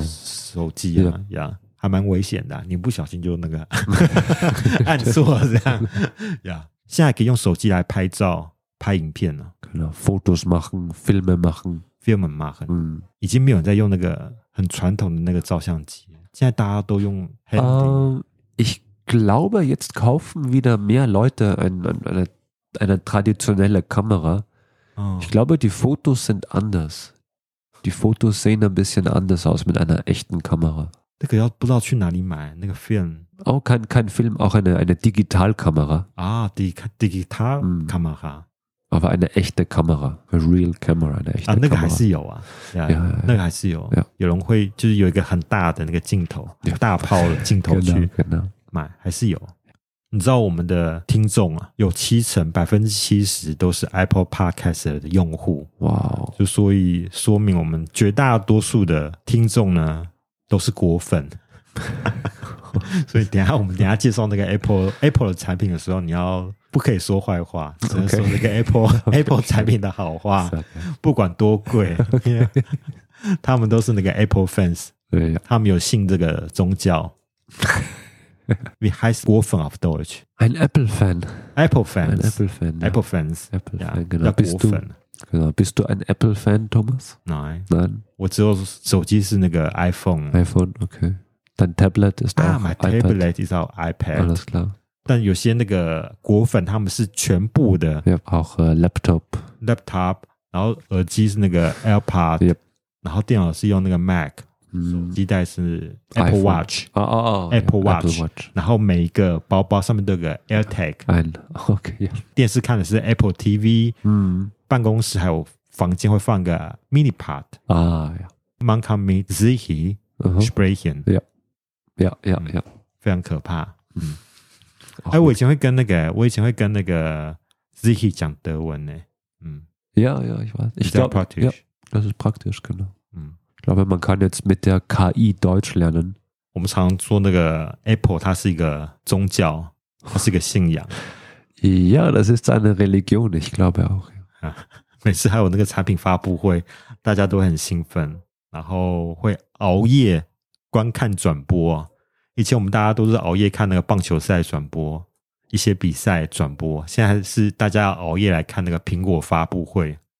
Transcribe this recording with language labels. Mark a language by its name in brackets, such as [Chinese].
[German] Das ist auch sehr gefährlich. Wenn du nicht aufmerksam bist, dann ist es so. Ja. Jetzt kann man mit dem Computer mit dem Video machen. Genau. Fotos machen, Filme machen. Filme machen. Es gibt nicht mehr mit dem traditionellen Computer. [Chinese] 现在大家都用 Handy. [German] Ich glaube, jetzt kaufen wieder mehr Leute eine traditionelle Kamera. Ich glaube, die Fotos sind anders. Die Fotos sehen ein bisschen anders aus mit einer echten Kamera. [Chinese] 那个要不知道去哪里买那个 film. [German] Oh, kein Film, auch eine Digitalkamera. Ah, Digitalkamera. Aber eine echte Kamera, [English] a real camera, [German] eine echte [Chinese] Kamera. 那个还是有啊。Ja, 那个还是有。有人会就是有一个很大的那个镜头，大炮的镜头去买，还是有。你知道我们的听众啊，有七成70%都是 Apple Podcast 的用户。哇。就所以说明我们绝大多数的听众呢都是果粉。所以等一下介绍那个 Apple 的产品的时候，你要不可以说坏话，只能说那个 Apple 产品的好话， [English] okay. [Chinese] 不管多贵， okay. 他们都是那个 Apple fans，对，他们有信这个宗教。 [German] Wie heißt Gurfen auf Deutsch? Ein Apple Fan. [English] Apple fans. [German] Ein Apple fan. [English] Apple fans. [German] Apple fan. Genau. Bist du ein Apple fan, Thomas? Nein. [Chinese] 我只有手机是那个 iPhone。 [German] iPhone. Okay. Dein Tablet ist auch [English] iPad. Ah, my tablet is auch iPad. [German] Alles klar. [Chinese] 但有些那个果粉他们是全部的。 [German] Yep, auch Laptop. [Chinese] Laptop, 然后耳机是那个 AirPod, [English] yep. [Chinese] 然后电脑是用那个 Mac,、手机带是 Apple Watch, [English] Apple Watch, Apple Watch, [Chinese] 然后每一个包包上面都有个 AirTag, [English] okay, yeah. [Chinese] 电视看的是 Apple TV,、办公室还有房间会放个 MiniPod,、 [English] yeah. [German] Man kann mit sich sprechen.、 Yeah. 呀呀呀， [Chinese] 非常可怕。哎，我以前会跟那个，Ziki 讲德文呢。 [German] Ja, ja, ich weiß. Ich glaube, ja, das ist praktisch, genau. Ich glaube, man kann jetzt mit der KI Deutsch lernen. [Chinese] 我们常说那个 Apple， 它是一个宗教，它是一个信仰。 [German] Ja, das ist eine Religion, ich glaube auch. [Chinese] 每次还有那个产品发布会，大家都很兴奋，然后会熬夜。观看转播，以前我们大家都是熬夜看那个棒球赛转播，一些比赛转播，现在是大家要熬夜来看那个苹果发布会。